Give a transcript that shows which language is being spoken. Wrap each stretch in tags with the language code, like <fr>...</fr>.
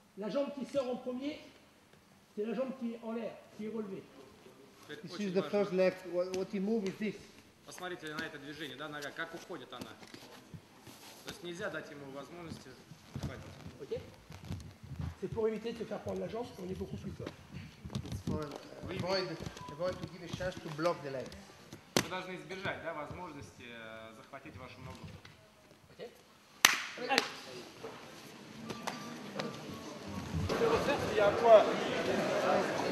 <fr>La jambe qui sort en premier, c'est la jambe qui est en l'air, qui est relevée.</fr> <en>This is the first leg. What he move is this.</en> <ru>Посмотрите на это движение, да, нога, как уходит она. То есть нельзя дать ему возможности хватить. Ok.</ru> <fr>C'est pour éviter de se faire prendre la jambe, on est beaucoup plus fort.</fr> <en>Avoid to give a chance to block the leg.</en> <ru>Вы должны избежать, да, возможности захватить вашу ногу.</ru> <en>Ok.</en> <fr>Je vais refaire s'il y a un point.</fr>